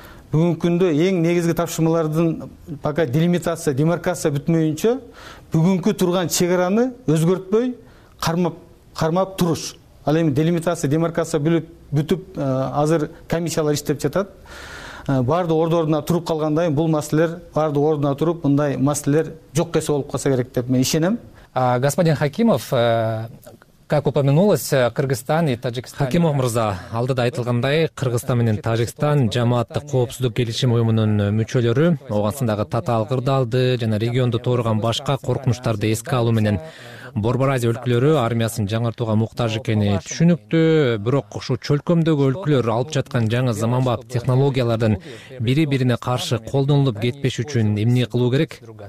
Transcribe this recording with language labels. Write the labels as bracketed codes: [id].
[ky] Бүгүнкү күндө эң негизги тапшырмалардын пока делимитация, демаркация бүтмөйүнчө бүгүнкү турган чек араны өзгөртпөй кармап туруш. Ал эми делимитация, демаркация бүлүп бүтүп азыр комиссиялар иштеп жатат. Баардык ордуна туруп калгандан кийин бул маселелер баардык ордуна туруп мындай маселелер жок кесе болуп калса керек деп мен ишенем. [ru] Господин Хакимов, Как упомянулось, Кыргызстан и Таджикстан. [ky] Хакимов мырза, алдыда айтылгандай, Кыргызстан менен Таджикстан жамааттык коопсуздук келишим уюмунун мүчөлөрү оогансындагы татаал кырдаалды жана регионду тоорган башка коркунучтарды эске алуу менен Борбор Азия өлкөлөрү армиясын жаңыртууга муктаж экени түшүнүктүү, бирок ушул чөлкөмдөгү өлкөлөр алып жаткан жаңы заманбап технологиялардын бири бирине каршы колдонулуп кетпеш үчүн эмне кылуу керек?